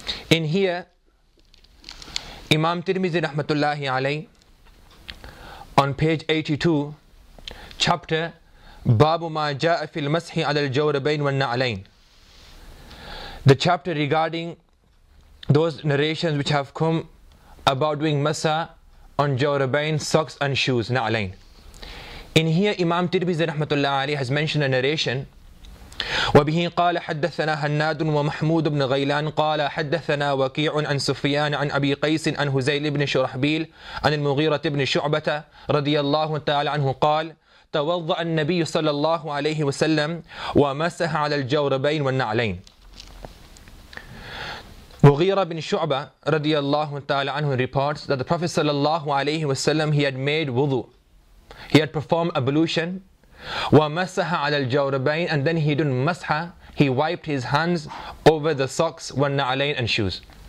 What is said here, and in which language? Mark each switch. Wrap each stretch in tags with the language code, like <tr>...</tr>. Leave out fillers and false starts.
<en>In here, Imam Tirmidhi rahmatullahi alayhi, on page 82, chapter Babu Ma Ja'a Fil Mashi Adal Jawrabain Wa Na'alain, the chapter regarding those narrations which have come about doing masa on jawrabain, socks and shoes, na'alain. In here, Imam Tirmidhi rahmatullah alayhi has mentioned a narration.</en> <ar>وبه قال حدثنا هناد ومحمود بن غيلان قال حدثنا وكيع عن سفيان عن أبي قيس عن هزيل بن شرحبيل عن المغيرة بن شعبة رضي الله تعالى عنه قال توضأ النبي صلى الله عليه وسلم ومسح على الجوربين والنعلين.</ar> <en>مغيرة بن شعبة</en> <ar>رضي الله تعالى عنه</ar> <en>reports that the Prophet</en> <ar>صلى الله عليه وسلم,</ar> <en>he had made wudu, he had performed ablution,</en> <ar>وَمَسَحَ عَلَى الْجَوْرَبَيْنِ,</ar> <en>and then he didn't masha, he wiped his hands over the socks, وَالنَّعَلَيْنِ, and shoes.</en>